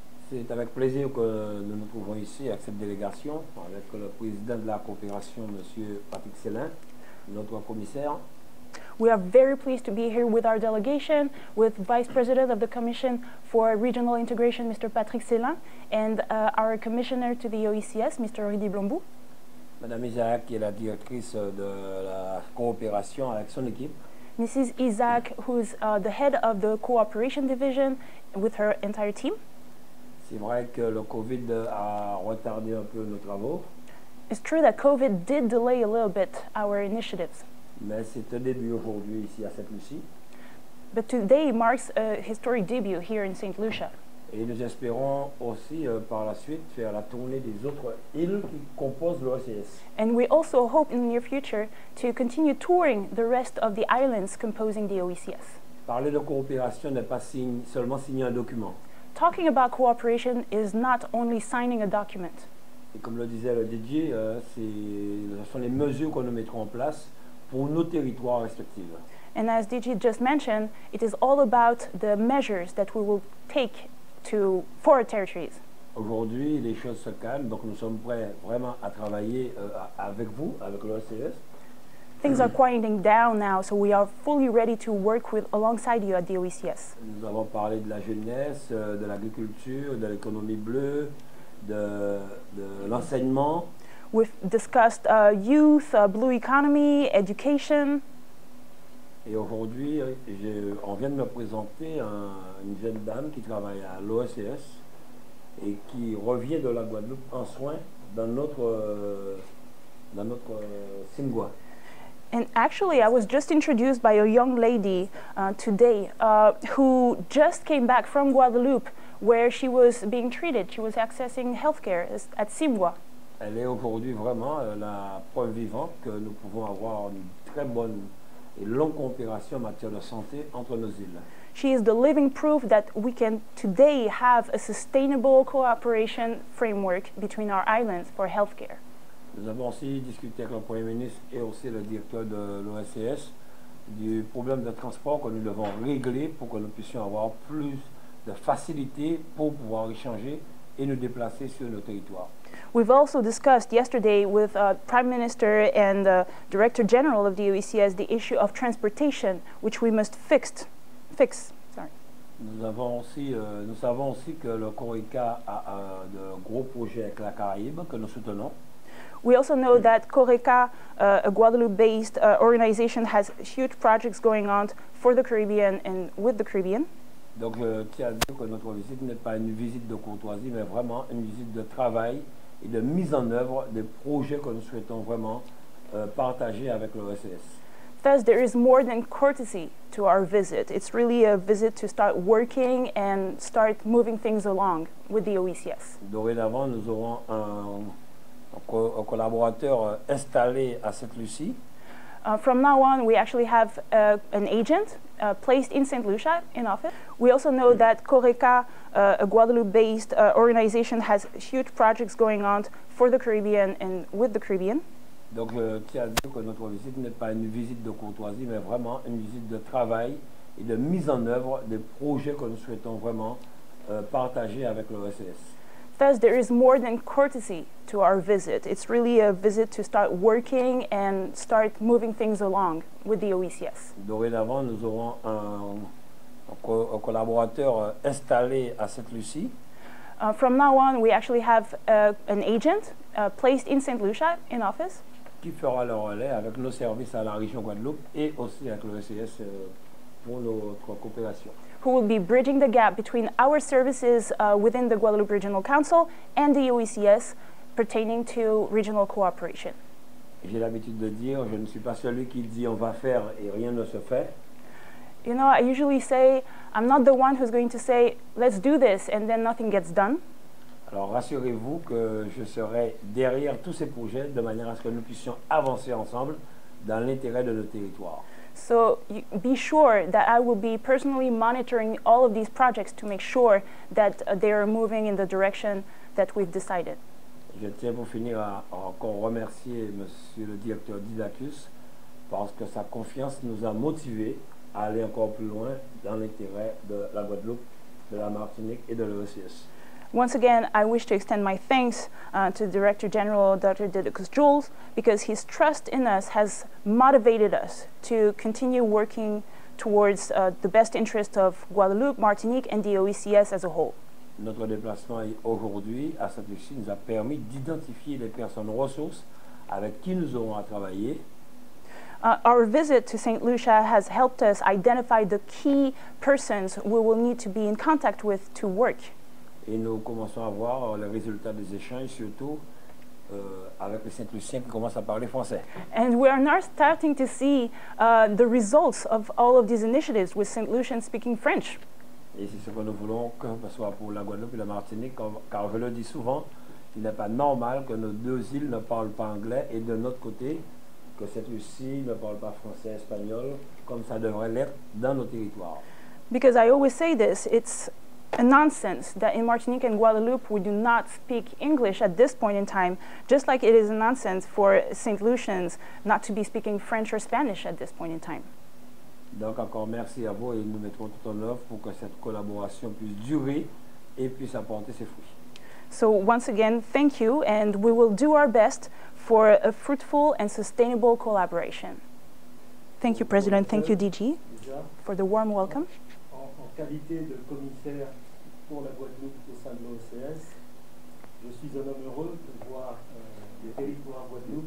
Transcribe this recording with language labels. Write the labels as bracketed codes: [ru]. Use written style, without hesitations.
[fr] C'est avec plaisir que nous nous trouvons ici avec cette délégation, avec le président de la coopération, Monsieur Patrick Célin, notre commissaire. [en] We are very pleased to be here with our delegation, with Vice President of the Commission for Regional Integration, Mr. Patrick Célin, and our Commissioner to the OECS, Mr. Rudy Blombou. [fr] Madame Isaac, qui est la directrice de la coopération avec son équipe. [en] Mrs. Isaac, who is the head of the cooperation division with her entire team. [fr] C'est vrai que le COVID a retardé un peu nos travaux. [en] It's true that COVID did delay a little bit our initiatives. [fr] Mais c'est un début aujourd'hui ici à Sainte-Lucie. [en] But today marks a historic debut here in St. Lucia. [fr] Et nous espérons aussi par la suite faire la tournée des autres îles qui composent l'OECS. [en] And we also hope in the near future to continue touring the rest of the islands composing the OECS. [fr] Parler de coopération n'est pas seulement signer un document. [en] Talking about cooperation is not only signing a document. [fr] Et comme le disait le DG, ce sont les mesures que nous mettrons en place pour nos territoires respectifs. [en] And as DG just mentioned, it is all about the measures that we will take for our territories. [fr] Aujourd'hui, les choses se calment, donc nous sommes prêts vraiment à travailler avec vous, avec l'OECS. [en] Things are quieting down now, so we are fully ready to work with alongside you at the OECS. [fr] Nous avons parlé de la jeunesse, de l'agriculture, de l'économie bleue, de l'enseignement. [en] We've discussed youth, blue economy, education. [fr] Et aujourd'hui, on vient de me présenter une jeune dame qui travaille à l'OECS et qui revient de la Guadeloupe en soins dans notre Singua. [en] And actually, I was just introduced by a young lady today who just came back from Guadeloupe where she was being treated. She was accessing healthcare at Singua. [fr] Elle est aujourd'hui vraiment la preuve vivante que nous pouvons avoir une très bonne et longue coopération en matière de santé entre nos îles. [en] She is the living proof that we can today have a sustainable cooperation framework between our islands for healthcare. [fr] Nous avons aussi discuté avec le Premier ministre et aussi le directeur de l'OECS du problème de transport que nous devons régler pour que nous puissions avoir plus de facilité pour pouvoir échanger et nous déplacer sur nos territoires. [en] We've also discussed yesterday with Prime Minister and Director General of the OECS the issue of transportation, which we must fix. [fr] Nous savons aussi que le Corica a de gros projets avec la Caraïbe que nous soutenons. [en] We also know that Corica, a Guadeloupe-based organization, has huge projects going on for the Caribbean and with the Caribbean. [fr] Donc je tiens à dire que notre visite n'est pas une visite de courtoisie, mais vraiment une visite de travail et de mise en œuvre des projets que nous souhaitons vraiment partager avec l'OECS. [en] Thus, there is more than courtesy to our visit. It's really a visit to start working and start moving things along with the OECS. [fr] Dorénavant, nous aurons un collaborateur installé à Sainte-Lucie. [en] From now on, we actually have an agent placed in Saint Lucia in office. We also know that Coreca, a Guadeloupe-based organization, has huge projects going on for the Caribbean and with the Caribbean. [fr] Donc je tiens à dire que notre visite n'est pas une visite de courtoisie, mais vraiment une visite de travail et de mise en œuvre des projets que nous souhaitons vraiment partager avec l'OECS. [en] Thus, there is more than courtesy to our visit. It's really a visit to start working and start moving things along with the OECS. [fr] Dorénavant, nous aurons un collaborateur installé à Sainte-Lucie. [en] From now on, we actually have an agent placed in Saint Lucia in office. [fr] Qui fera le relais avec nos services à la région Guadeloupe et aussi avec l'OECS pour notre coopération. [en] Who will be bridging the gap between our services within the Guadeloupe Regional Council and the OECS pertaining to regional cooperation. [fr] J'ai l'habitude de dire, je ne suis pas celui qui dit on va faire et rien ne se fait. [en] You know, I usually say, I'm not the one who's going to say, let's do this and then nothing gets done. [fr] Alors rassurez-vous que je serai derrière tous ces projets de manière à ce que nous puissions avancer ensemble dans l'intérêt de nos territoires. [en] So be sure that I will be personally monitoring all of these projects to make sure that they are moving in the direction that we've decided. [fr] Je tiens pour finir à encore remercier Monsieur le Directeur Didacus parce que sa confiance nous a motivés à aller encore plus loin dans l'intérêt de la Guadeloupe, de la Martinique et de l'OECS. [en] Once again, I wish to extend my thanks to the Director General, Dr. Didacus Jules, because his trust in us has motivated us to continue working towards the best interest of Guadeloupe, Martinique, and the OECS as a whole. [fr] Notre déplacement aujourd'hui à Sainte-Lucie nous a permis d'identifier les personnes ressources avec qui nous aurons à travailler. [en] Our visit to Saint Lucia has helped us identify the key persons we will need to be in contact with to work. [fr] Et nous commençons à voir les résultats des échanges, surtout avec les Saint-Luciens qui commencent à parler français. [en] And we are now starting to see the results of all of these initiatives with Saint Lucians speaking French. [fr] Et c'est ce que nous voulons que ce soit pour la Guadeloupe et la Martinique, car je le dis souvent, il n'est pas normal que nos deux îles ne parlent pas anglais et de notre côté, que Saint-Lucie ne parle pas français, espagnol, comme ça devrait l'être dans nos territoires. [en] Because I always say this, it's a nonsense that in Martinique and Guadeloupe we do not speak English at this point in time, just like it is a nonsense for Saint Lucians not to be speaking French or Spanish at this point in time. [fr] Donc encore merci à vous et nous mettrons tout en œuvre pour que cette collaboration puisse durer et puisse apporter ses fruits. [en] So once again, thank you and we will do our best for a fruitful and sustainable collaboration. Thank you, President. Thank you, DG, for the warm welcome. [fr] En qualité de commissaire pour la Guadeloupe au sein de l'OECS, je suis un homme heureux de voir les territoires Guadeloupe.